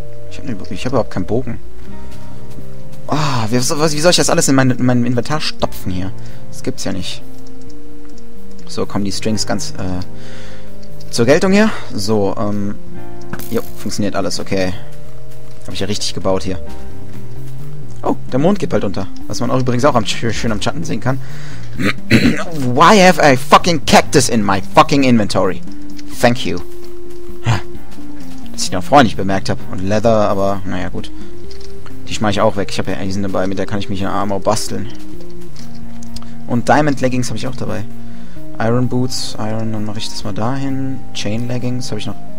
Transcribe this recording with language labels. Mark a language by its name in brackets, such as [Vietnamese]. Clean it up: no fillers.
[German] Ich hab überhaupt keinen Bogen. Oh, wie soll ich das alles in mein Inventar stopfen hier? Das gibt's ja nicht. So, kommen die Strings ganz... zur Geltung hier. So, jo, funktioniert alles, okay. Habe ich ja richtig gebaut hier. Oh, der Mond geht bald unter. Was man auch übrigens auch schön am Schatten sehen kann. [English] Why have I fucking cactus in my fucking inventory? Thank you. [German] Dass ich noch vorher nicht bemerkt habe. Und Leather, aber naja, gut. Die schmeiße ich auch weg. Ich habe ja Eisen dabei, mit der kann ich mich in Armor basteln. Und Diamond Leggings habe ich auch dabei. Iron Boots, Iron, dann mache ich das mal dahin. Chain Leggings, habe ich noch.